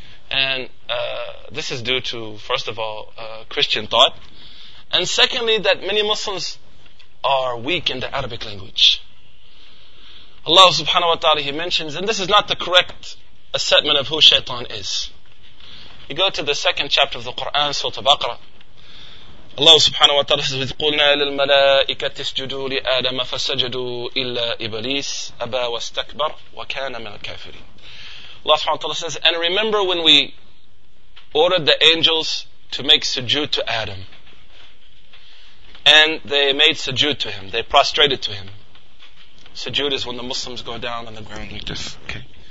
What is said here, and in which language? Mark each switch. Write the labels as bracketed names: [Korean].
[English] And this is due to, first of all, Christian thought. And secondly, that many Muslims are weak in the Arabic language. Allah subhanahu wa ta'ala, he mentions, and this is not the correct assessment of who shaitan is. You go to the second chapter of the Quran, Surah Al-Baqarah. Allah subhanahu wa ta'ala says, [Arabic] إِذْ قُلْنَا لِلْمَلَائِكَةِ اسْجُدُوا لِآدَمَ فَسَجَدُوا إِلَّا إِبْلِيسَ أَبَى وَاسْتَكْبَرَ وَكَانَ مِنَ الْكَافِرِينَ. [English] Allah subhanahu wa ta'ala says, and remember when we ordered the angels to make sujood to Adam, and they made sujood to him, they prostrated to him. Sujood is when the Muslims go down on the ground like this. Okay.